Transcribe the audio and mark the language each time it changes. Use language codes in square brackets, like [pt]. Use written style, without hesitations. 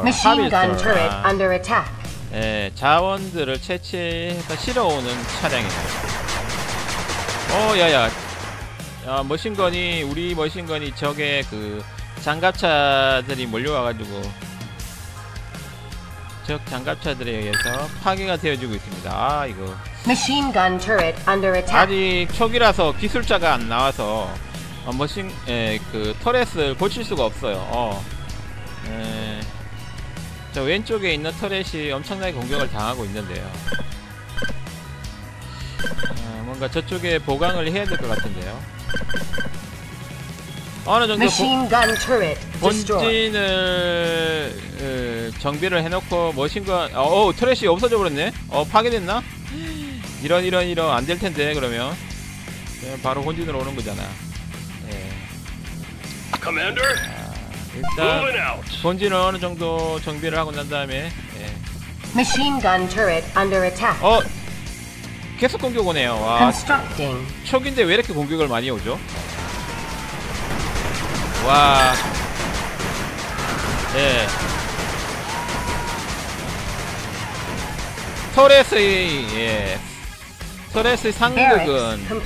[en] Machine gun turret under attack. [ko] 예 자원들을 채취해서 실어오는 차량입니다. 어 야야. 아, 머신건이 우리 머신건이 적의 그 장갑차들이 몰려와가지고 적 장갑차들에 의해서 파괴가 되어지고 있습니다. 아 이거 [en] Machine gun turret under attack. [ko] 아직 초기라서 기술자가 안 나와서 아, 머신 에, 그 터렛을 고칠 수가 없어요. 어. 에, 저 왼쪽에 있는 터렛이 엄청나게 공격을 당하고 있는데요. 아, 뭔가 저쪽에 보강을 해야 될 것 같은데요. 어느 정도 본진을 정비를 해놓고 머신건 어 터렛이 없어져 버렸네. 어 파괴됐나? 이런 안 될 텐데 그러면 바로 본진으로 오는 거잖아. 예. [en] Commander. [ko] 일단 본진을 어느 정도 정비를 하고 난 다음에. 예. [en] Machine gun turret under attack. [ko] 어 계속 공격 오네요. 와. [en] Constructing. [ko] 초기인데 왜 이렇게 공격을 많이 오죠? 와, 예. 터렛의 예, 터렛의 상극은